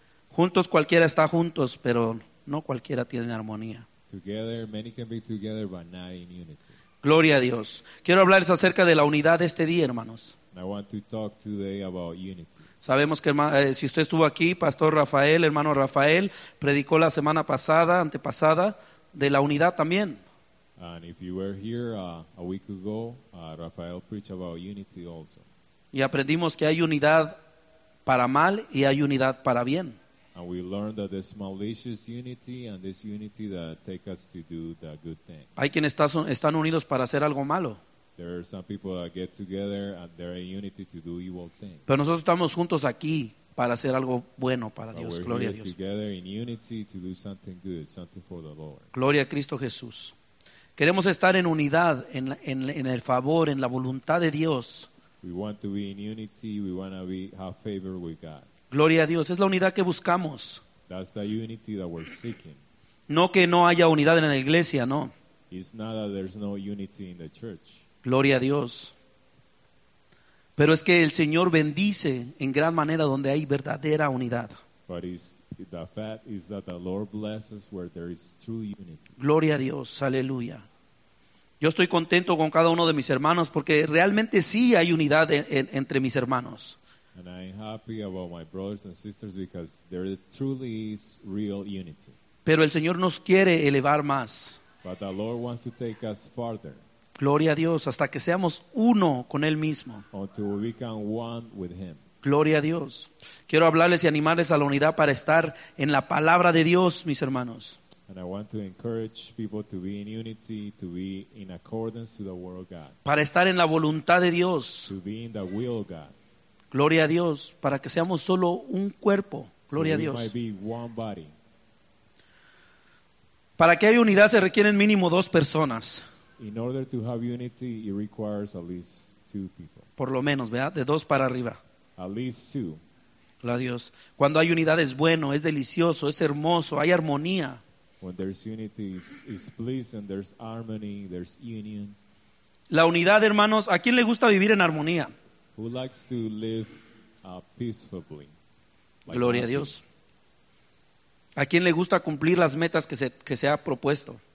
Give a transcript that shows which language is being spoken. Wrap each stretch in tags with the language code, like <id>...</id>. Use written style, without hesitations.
<es>Juntos cualquiera está juntos, pero no cualquiera tiene armonía.</es> <en>Together, many can be together, but not in unity.</en> <es>Gloria a Dios. Quiero hablarles acerca de la unidad de este día, hermanos.</es> <en>I want to talk today about unity.</en> <es>Sabemos que si usted estuvo aquí, Pastor Rafael, hermano Rafael, predicó la semana pasada, antepasada, de la unidad también.</es> <en>And if you were here a week ago, Rafael preached about unity also.</en> <es>Y aprendimos que hay unidad para mal y hay unidad para bien.</es> <en>And we learned that this malicious unity and this unity that take us to do the good things.</en> <es>Hay quienes están unidos para hacer algo malo.</es> <en>There are some people that get together and they're in unity to do evil things.</en> <es>Pero nosotros estamos juntos aquí para hacer algo bueno para Dios. Gloria a Dios.</es> <en>Together in unity to do something good, something for the Lord.</en> <es>Gloria a Cristo Jesús. Queremos estar en unidad, en el favor, en la voluntad de Dios.</es> <en>We want to be in unity. We want to have favor with God.</en> <es>Gloria a Dios. Es la unidad que buscamos.</es> <en>That's the unity that we're seeking.</en> <es>No que no haya unidad en la iglesia, no.</es> <en>It's not that there's no unity in the church.</en> <es>Gloria a Dios. Pero es que el Señor bendice en gran manera donde hay verdadera unidad.</es> <en>But the fact is that the Lord blesses where there is true unity.</en> <es>Gloria a Dios. Aleluya. Yo estoy contento con cada uno de mis hermanos porque realmente sí hay unidad entre mis hermanos.</es> <en>And I'm happy about my brothers and sisters because there truly is real unity.</en> <es>Pero el Señor nos quiere elevar más.</es> <en>But the Lord wants to take us farther.</en> <es>Gloria a Dios, hasta que seamos uno con Él mismo.</es> <en>Until we become one with Him.</en> <es>Gloria a Dios. Quiero hablarles y animarles a la unidad para estar en la palabra de Dios, mis hermanos.</es> <en>And I want to encourage people to be in unity, to be in accordance to the will of God.</en> <es>Para estar en la voluntad de Dios.</es> <en>To be in the will of God.</en> <es>Gloria a Dios, para que seamos solo un cuerpo. Gloria so a Dios.</es> <en>We might be one body.</en> <es>Para que haya unidad se requieren mínimo dos personas.</es> <en>In order to have unity, it requires at least two people.</en> <es>Por lo menos, ¿verdad? De dos para arriba.</es> <en>At least two.</en> <es>Gloria a Dios. Cuando hay unidad es bueno, es delicioso, es hermoso, hay armonía.</es> <en>When there's unity, it's pleasant, there's harmony, there's union.</en> <es>La unidad, hermanos, ¿a quién le gusta vivir en armonía?</es> <en>Who likes to live peacefully?</en> <es>Gloria a Dios. ¿A quién le gusta cumplir las metas que se ha propuesto?</es>